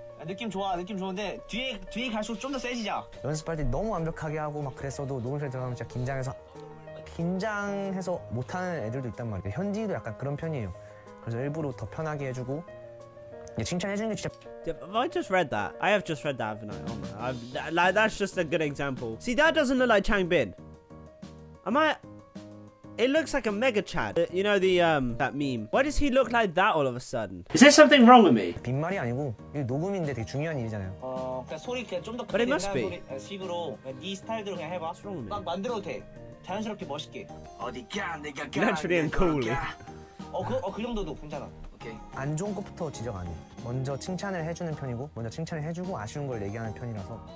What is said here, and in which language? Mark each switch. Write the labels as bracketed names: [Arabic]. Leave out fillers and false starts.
[Korean] 아, 느낌 좋아, 느낌 좋은데 뒤에 갈수록 좀 더 세지죠? 연습할 때 너무 완벽하게 하고 막 그랬어도 녹음실 들어가면 진짜 긴장해서 못하는 애들도 있단 말이에요. 현지도 약간 그런 편이에요. 그래서 일부러 더 편하게 해주고 칭찬해주는 게 진짜. [English] I have just read that, haven't I? Oh my, like that's just a good example. See, that doesn't look like Changbin. Am I? It looks like a mega chat. You know the that meme. Why does he look like that all of a sudden? Is there something wrong with me? [Korean] 빈말이 아니고 이게 녹음인데 되게 중요한 일이잖아요. 그냥 소리 그냥 좀 더 큰 소리 식으로 네 스타일대로 그냥 해봐. [English] What's wrong with me? [Korean] 막 만들어도 돼. 자연스럽게 멋있게. 어디가 내가 가. [English] Naturally and coolly. [Korean] 그 정도도 괜찮아. 오케이. 안 좋은 것부터 지적 안 해. 먼저 칭찬을 해주는 편이고 먼저 칭찬을 해주고 아쉬운 걸 얘기하는 편이라서.